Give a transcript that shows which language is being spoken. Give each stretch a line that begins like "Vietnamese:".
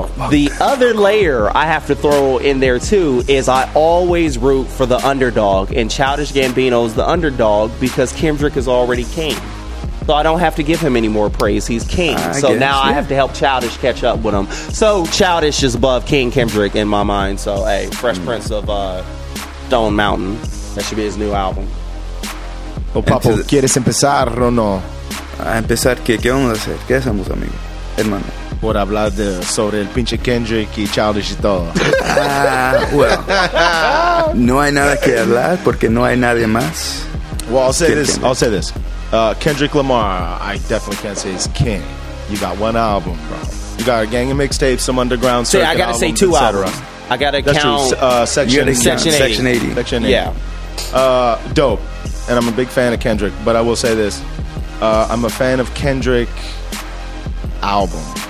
English: The other layer I have to throw in there too is I always root for the underdog, and Childish Gambino's the underdog because Kendrick is already king. So I don't have to give him any more praise. He's king. I have to help Childish catch up with him. So Childish is above King Kendrick in my mind. So hey, Fresh Prince of Stone Mountain. That should be his new album.
Spanish: Oh, Papo, ¿quieres empezar o no? ¿A empezar qué? ¿Qué vamos a hacer? ¿Qué hacemos, amigo? Hermano. por hablar de, sobre el pinche Kendrick y Childish y todo. Well, no hay nada que hablar porque no hay nadie más.
English: Well, I'll say this. Kendrick. I'll say this. Kendrick Lamar, I definitely can't say he's king. You got one album, bro. You got a gang of mixtapes, some underground circuit albums, I gotta say two albums. I gotta count. Section 80. Section 80. Yeah. Dope. And I'm a big fan of Kendrick. But I will say this. I'm a fan of Kendrick album.